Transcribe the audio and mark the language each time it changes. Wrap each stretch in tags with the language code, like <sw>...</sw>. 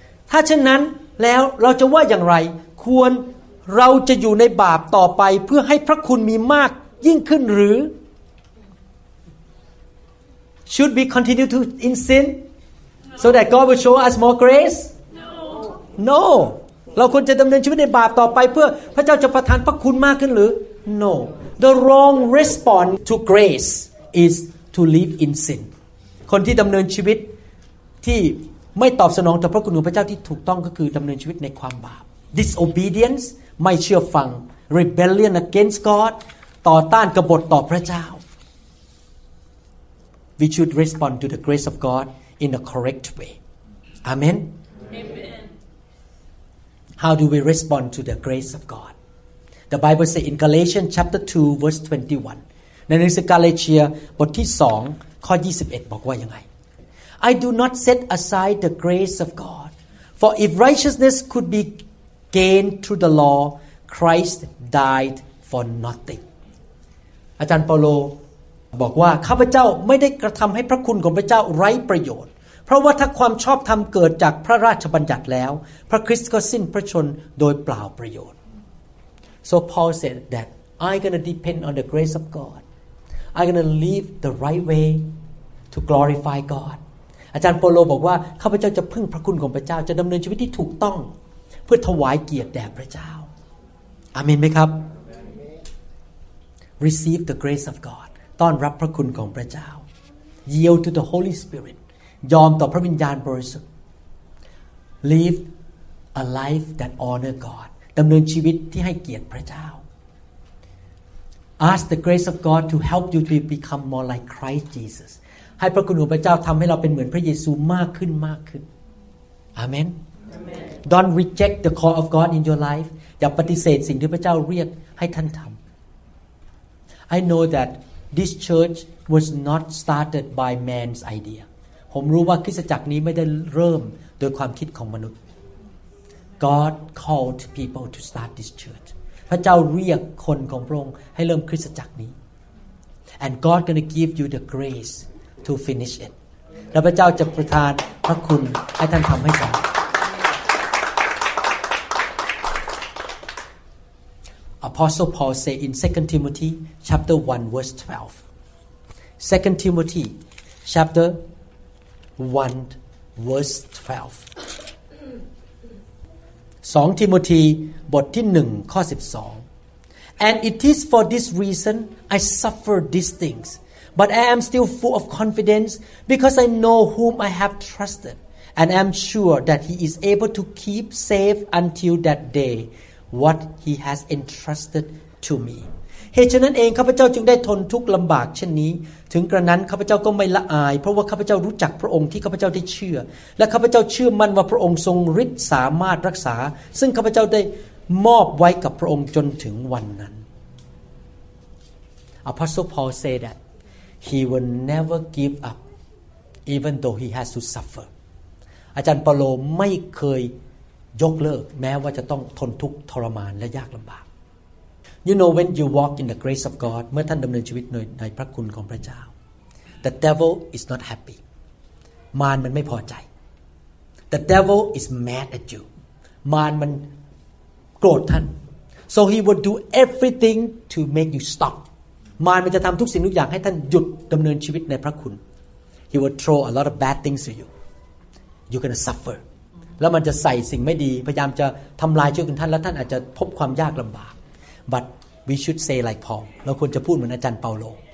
<th>ถ้าเช่นนั้นแล้วเราจะว่าอย่างไรควรเราจะอยู่ในบาปต่อไปเพื่อให้พระคุณมีมากยิ่งขึ้นหรือ</th> <en>Should we continue to in sin so that God will show us more grace? No. No.</en> <th>เราควรจะดำเนินชีวิตในบาปต่อไปเพื่อพระเจ้าจะประทานพระคุณมากขึ้นหรือ</th> <en>No. The wrong response to grace is to live in sin.</en> <th>คนที่ดำเนินชีวิตที่ไม่ตอบสนองต่อพระคุณของพระเจ้าที่ถูกต้องก็คือดำเนินชีวิตในความบาป Disobedience ไม่เชื่อฟัง</th> <en>Rebellion against God</en> <th>ต่อต้านกบฏต่อพระเจ้า</th> <en>We should respond to the grace of God in a correct way. Amen. Amen. How do we respond to the grace of God? The Bible says in Galatians chapter 2 verse 21.</en> <th>ในหนังสือกาลาเทียบทที่2ข้อ21บอกว่ายังไง</th> <en>I do not set aside the grace of God. For if righteousness could be gained through the law, Christ died for nothing.</en> <th>อาจารย์เปาโลบอกว่าข้าพเจ้าไม่ได้กระทำให้พระคุณของพระเจ้าไร้ประโยชน์เพราะว่าถ้าความชอบธรรมเกิดจากพระราชบัญญัติแล้วพระคริสต์ก็สิ้นพระชนโดยเปล่าประโยชน์</th> <en>So Paul said that I'm going to depend on the grace of God. I'm going to live the right way to glorify God.</en> <th>อาจารย์เปาโลบอกว่าข้าพเจ้าจะพึ่งพระคุณของพระเจ้าจะดำเนินชีวิตที่ถูกต้องเพื่อถวายเกียรติแด่พระเจ้า Amen ไหมครับ</th> <en>Receive the grace of God.</en> <th>ต้อนรับพระคุณของพระเจ้า</th> <en>Yield to the Holy Spirit.</en> <th>ยอมต่อพระวิญญาณบริสุทธิ์</th> <en>Live a life that honors God. ดำเนินชีวิตที่ให้เกียรติพระเจ้า Ask the grace of God to help you to become more like Christ Jesus</en> <th>ให้พระคุณของพระเจ้าทำให้เราเป็นเหมือนพระเยซูมากขึ้นมากขึ้น</th> <en>Amen. Amen Don't reject the call of God in your life</en> <th>อย่าปฏิเสธสิ่งที่พระเจ้าเรียกให้ท่านทำ</th> <en>I know that this church was not started by man's idea</en> <th>ผมรู้ว่าคริสตจักรนี้ไม่ได้เริ่มโดยความคิดของมนุษย์</th> <en>God called people to start this church.</en> <th>พระเจ้าเรียกคนของพระองค์ให้เริ่มคริสตจักรนี้</th> <en>And God gonna give you the grace to finish it</en> <th>แล้วพระเจ้าจะประทานพระคุณให้ท่านทำให้เสร็จ</th> <en>Apostle Paul say in 2 Timothy chapter 1 verse 12 2 Timothy chapter 1 verse 12 2 Timothy</en> <th>บทที่1ข้อ</th> <en>12 And it is for this reason I suffer these thingsBut I am still full of confidence because I know whom I have trusted and am sure that he is able to keep safe until that day what he has entrusted to me.</en> <th>เหตุฉะนั้นเองข้าพเจ้าจึงได้ทนทุกข์ลำบากเช่นนี้ถึงกระนั้นข้าพเจ้าก็ไม่ละอายเพราะว่าข้าพเจ้ารู้จักพระองค์ที่ข้าพเจ้าได้เชื่อและข้าพเจ้าเชื่อมั่นว่าพระองค์ทรงฤทธิ์สามารถรักษาซึ่งข้าพเจ้าได้มอบไว้กับพระองค์จนถึงวันนั้น</th> <en>Apostle Paul said thatHe will never give up, even though he has to suffer.</en> <th>อาจารย์เปาโลไม่เคยยกเลิกแม้ว่าจะต้องทนทุกข์ทรมานและยากลำบาก</th> <en>You know, when you walk in the grace of God,</en> <th>เมื่อท่านดำเนินชีวิตในพระคุณของพระเจ้า</th> <en>The devil is not happy.</en> <th>มารมันไม่พอใจ</th> <en>The devil is mad at you.</en> <th>มารมันโกรธท่าน</th> <en>So he will do everything to make you stop.</en> <th>มารมันจะทำทุกสิ่งทุกอย่างให้ท่านหยุดดำเนินชีวิตในพระคุณ</th> <en>He will throw a lot of bad things at you You're gonna suffer</en> <th>แล้วมันจะใส่สิ่งไม่ดีพยายามจะทำลายชีวิตของท่านและท่านอาจจะพบความยากลำบาก</th> <en>But we should say like Paul</en> <th>เราควรจะพูดเหมือนอาจารย์เปาโล</th>